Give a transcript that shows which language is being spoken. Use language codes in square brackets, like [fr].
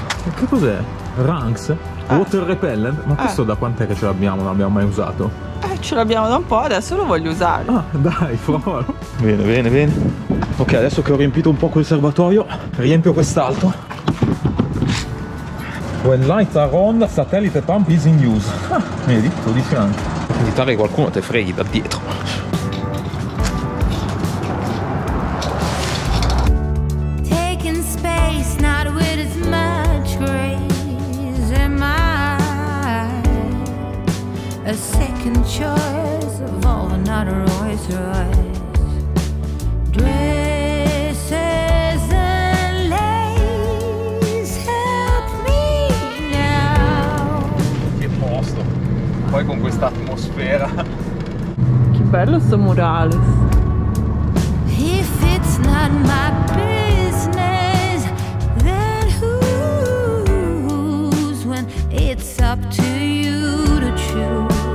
[it] Che cos'è? Che cos'è? Runks? [en] Water repellent? [it] Ma questo da quant'è che ce l'abbiamo? Non l'abbiamo mai usato? Ce l'abbiamo da un po', adesso lo voglio usare. Ah, dai, fuoro. Bene, bene, bene. Ok, adesso che ho riempito un po' quel serbatoio, riempio quest'altro. [en] When lights are on, satellite pump is in use. [it] Ah, vedi, lo dice anche. Evitare che qualcuno te freghi da dietro. [en] Taking space, not with as much grace in mind. a second choice of all another Rolls Royce. Dresses and lace, help me now. [it] Che posto, poi con questa atmosfera. Che bello sto murales. [en] If it's not my business, then who's, when it's up to you to choose.